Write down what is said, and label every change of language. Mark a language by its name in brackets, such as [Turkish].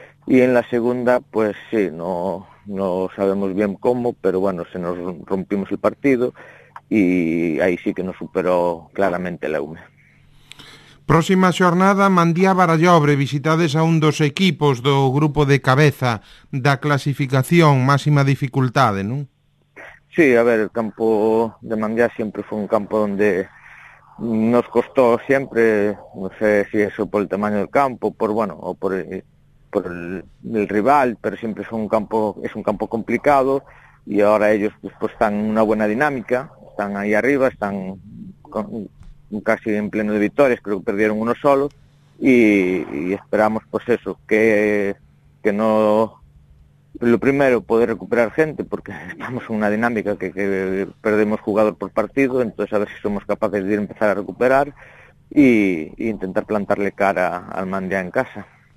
[Spanish] Y en la segunda, pues sí, no sabemos bien cómo, pero bueno, se nos rompimos el partido. Y ahí sí que nos superó claramente la UME. [Galician] Próxima jornada, Mandía Baralla Abreu, visitades a un dos equipos do grupo de cabeza da clasificación, máxima dificultade, non? Sí, a ver, el campo de Mandía sempre foi un campo onde nos costó sempre, non sei se iso [Spanish] por el tamaño del campo, por el rival, [Galician] pero sempre é un campo complicado, e agora ellos pues están en unha buena dinámica. [Spanish] Están ahí arriba, están casi en pleno de victorias, creo que perdieron uno solo, y esperamos pues eso, que no, lo primero, poder recuperar gente, porque estamos en una dinámica que perdemos jugador por partido, entonces a ver si somos capaces de empezar a recuperar y intentar plantarle cara al Mandiá en casa.